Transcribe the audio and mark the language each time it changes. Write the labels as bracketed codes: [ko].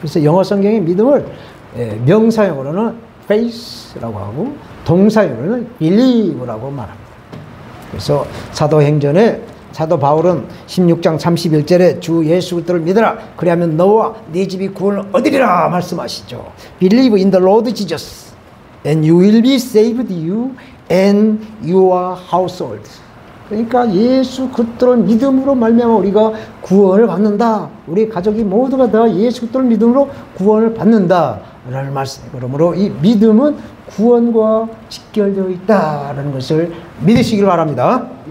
[ko] 그래서 영어 성경의 믿음을 명사형으로는 faith라고 하고 동사형으로는 believe라고 말합니다. 그래서 사도행전에 사도 바울은 16장 31절에 주 예수 그리스도를 믿어라, 그리하면 너와 네 집이 구원을 얻으리라 말씀하시죠. [en] Believe in the Lord Jesus and you will be saved, you and your household. [ko] 그러니까 예수 그리스도를 믿음으로 말미암아 우리가 구원을 받는다, 우리 가족이 모두가 다 예수 그리스도를 믿음으로 구원을 받는다라는 말씀. 그러므로 이 믿음은 구원과 직결되어 있다라는 것을 믿으시길 바랍니다.